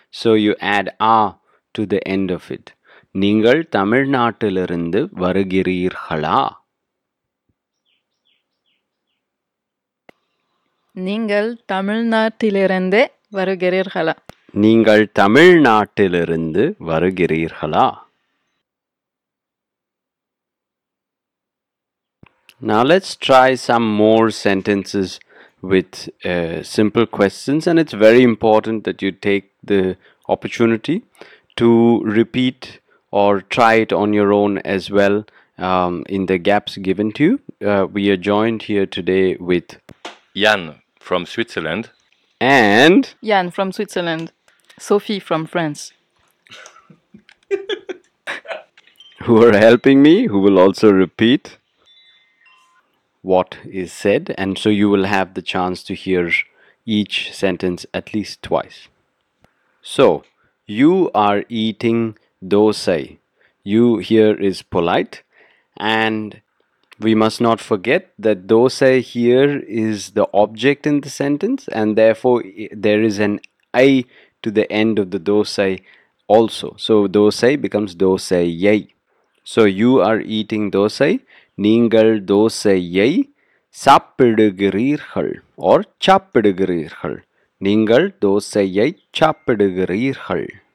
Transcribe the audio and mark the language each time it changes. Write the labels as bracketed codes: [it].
[en] So you add ஆ to the end of it. [ta] நீங்கள் தமிழ்நாட்டிலிருந்து வருகிறீர்களா? நீங்கள் தமிழ்நாட்டிலிருந்து வருகிறீர்களா? நீங்கள் தமிழ்நாட்டிலிருந்து வருகிறீர்களா? [en] Now let's try some more sentences with simple questions, and it's very important that you take the opportunity to repeat or try it on your own as well in the gaps given to you. We are joined here today with Jan from Switzerland and Jan from Switzerland, Sophie from France, who are helping me, who will also repeat what is said, and so you will have the chance to hear each sentence at least twice. So, you are eating dosai. You here is polite, and we must not forget that dosai here is the object in the sentence, and therefore there is an I to the end of the dosai also. So, dosai becomes dosaiyai. So, you are eating dosai. [ta] நீங்கள் தோசையை சாப்பிடுகிறீர்கள் or சாப்பிடுகிறீர்கள். நீங்கள் தோசையை சாப்பிடுகிறீர்கள்.